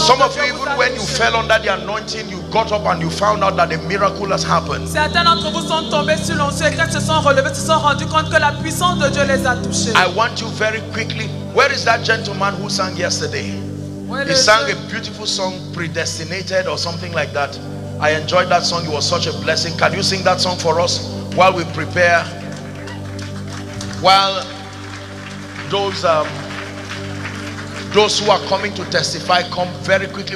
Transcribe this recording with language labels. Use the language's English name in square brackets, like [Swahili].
[English] for some of you, even when you fell under the anointing, you got up and you found out that a miracle has happened. [French] Certains d'entre vous sont tombés sur l'onction et quand ils se sont relevés, ils se sont rendus compte que la puissance de Dieu les a touchés. [English] I want you very quickly. Where is that gentleman who sang yesterday? He sang a beautiful song, Predestinated or something like that. I enjoyed that song. It was such a blessing. Can you sing that song for us while we prepare? While those who are coming to testify come very quickly.